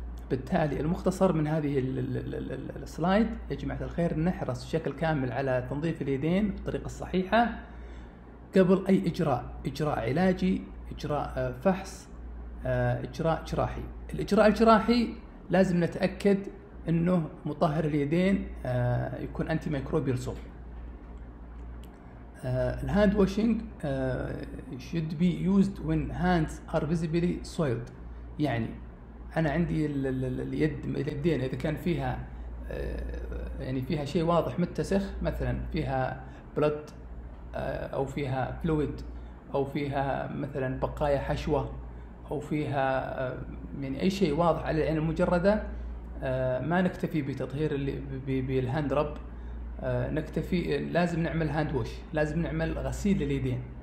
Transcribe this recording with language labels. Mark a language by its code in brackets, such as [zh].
[ar] بالتالي المختصر من هذه السلايد يا جماعة الخير، نحرص بشكل كامل على تنظيف اليدين بالطريقة الصحيحة قبل أي إجراء، إجراء علاجي، إجراء فحص، إجراء جراحي. الإجراء الجراحي لازم نتأكد أنه مطهر اليدين يكون أنتي ميكروبيال صوب. [en] الهاند washing should be used when hands are visibly soiled. [ar] يعني انا عندي اليدين اذا كان فيها يعني فيها شيء واضح متسخ، مثلا فيها بلد او فيها فلويد او فيها مثلا بقايا حشوه او فيها يعني اي شيء واضح على العين المجرده، ما نكتفي بتطهير بالهاند رب، نكتفي لازم نعمل هاند ووش، لازم نعمل غسيل لليدين.